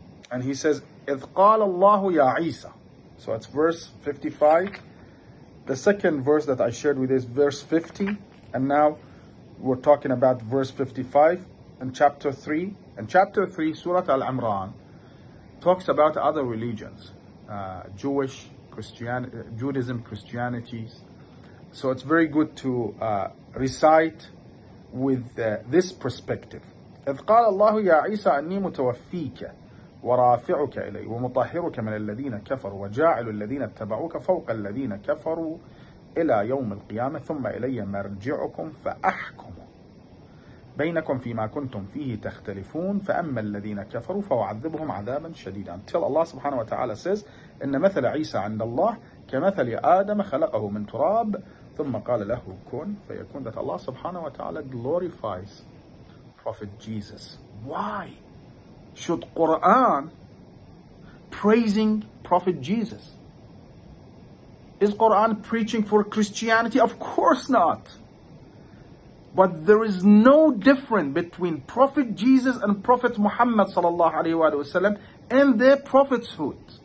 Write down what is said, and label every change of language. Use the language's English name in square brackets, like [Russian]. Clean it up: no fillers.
[Arabic] And he says, إِذْ قَالَ اللَّهُ يَا عِيسَى. [English] So it's verse 55. The second verse that I shared with you is verse 50. And now we're talking about verse 55. In chapter 3, Surah Al-Imran talks about other religions, Jewish, Judaism, Christianity. So it's very good to recite with this perspective. [Arabic] إِذْ قَالَ اللَّهُ يَا عِيسَىٰ أَنِّي مُتَوَفِّيكَ وَرَافِعُكَ إِلَيْهِ وَمُطَهِّرُكَ مِنَ الَّذِينَ كَفَرُوا وَجَاعِلُ الَّذِينَ اتَّبَعُوكَ فَوْقَ الَّذِينَ كَفَرُوا إِلَى يَوْمِ الْقِيَامَةِ ثُمَّ إِلَيَّ مَرْجِعُكُمْ فَأَحْكُمُ بينكم فيما كنتم فيه تختلفون فأما الذين كفروا فأعذبهم عذابا شديدا. Until Allah subhanahu wa ta'ala says, إن مثل عيسى عند الله كمثل آدم خلقه من تراب ثم قال له كن فيكون. [English] That Allah subhanahu wa ta'ala glorifies Prophet Jesus. Why should Quran praising Prophet Jesus? Is Quran preaching for Christianity? Of course not. But there is no difference between Prophet Jesus and Prophet Muhammad sallallahu alaihi wasallam and their prophethood.